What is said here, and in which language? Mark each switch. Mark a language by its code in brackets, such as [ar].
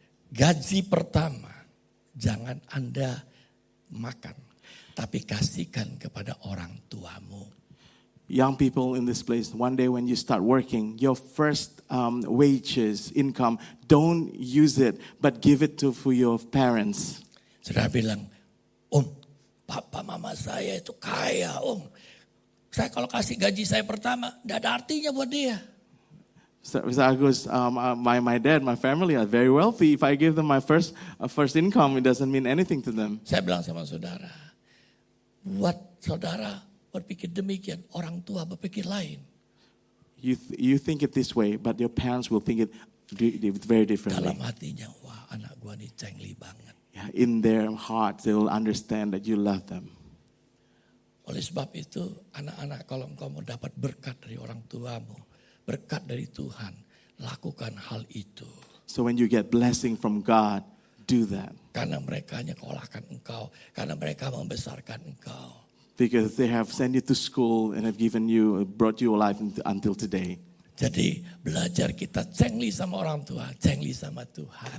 [id] Gaji pertama jangan Anda makan, tapi kasihkan kepada orang tuamu. [en] Young people in this place, one day when you start working, your first wages, income, don't use it, but give it to for your parents. [id] Saudara bilang, om, papa mama saya itu kaya, om. Saya kalau kasih gaji saya pertama, tidak ada artinya buat dia. [en] So Agus, my dad, my family are very wealthy. If I give them my first income, it doesn't mean anything to them. [id] Saya bilang sama saudara, buat saudara berpikir demikian, orang tua berpikir lain. [en] You think it this way, but your parents will think it very differently. [id] Dalam hatinya, wah, anak gua ini cengli banget. [en] Yeah, in their heart, they will understand that you love them. [id] Oleh sebab itu, anak-anak, kalau engkau mau dapat berkat dari orang tuamu, berkat dari Tuhan, lakukan hal itu. [en] So when you get blessing from God, do that. [id] Karena mereka nyekolahkan engkau, karena mereka membesarkan engkau. [en] Because they have sent you to school and have given you, brought you alive until today. [id] Jadi belajar kita cengli sama orang tua, cengli sama Tuhan.